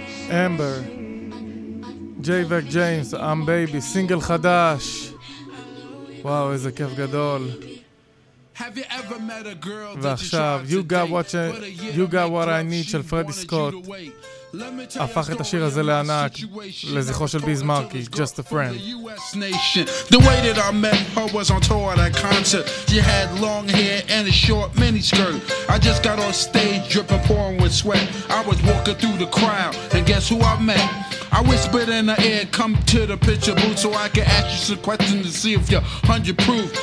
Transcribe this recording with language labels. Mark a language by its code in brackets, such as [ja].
[he] Amber, J-Vac James, I'm Baby, סינגל חדש. וואו, איזה כיף גדול. ועכשיו, You Got What I Need של פרדי סקוט הפך את השיר הזה לענק לזכרו של ביז מרקי, Just a Friend. [en] The way that I met her was on tour at a concert. She had long hair and a short mini skirt. I just got on stage dripping pouring with sweat. I was walking through the crowd and guess who I met? I whispered in her ear, come to the picture booth so I can ask you some questions to see if you're 100 proof.